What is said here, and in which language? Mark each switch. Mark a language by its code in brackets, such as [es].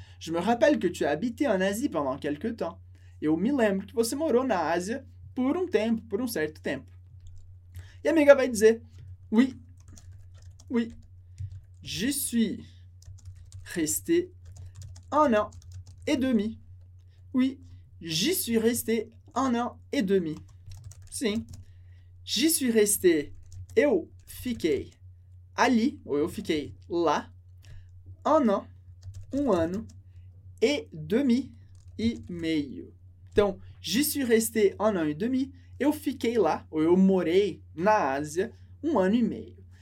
[fr] Je me rappelle que tu as habité en Asie pendant quelques temps. [pt] Eu me lembro que você morou na Ásia por um tempo, por um certo tempo. E a amiga vai dizer, [fr] oui, oui, je suis resté un an et demi. Oui, j'y suis resté un an et demi. [pt] Sim, [fr] j'y suis resté, [pt] eu fiquei ali, ou eu fiquei lá, un ano et demi e meio. Então, [fr] j'y suis resté un an et demi, [pt] eu fiquei lá, ou eu morei na Ásia, um ano e meio.